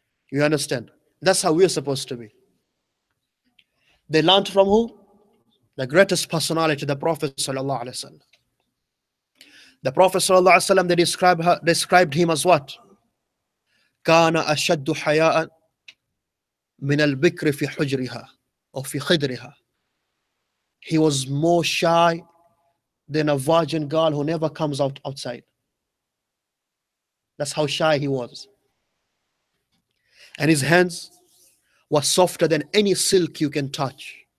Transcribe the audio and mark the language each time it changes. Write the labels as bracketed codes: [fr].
[en] You understand? That's how we're supposed to be. They learned from who? The greatest personality, the Prophet sallallahu alaihi wasallam. The Prophet sallallahu alaihi wasallam, they described him as what? [ar] كان أشد حياء من البكر في حجرها أو في خدرها. [en] He was more shy than a virgin girl who never comes out outside. That's how shy he was. And his hands were softer than any silk you can touch.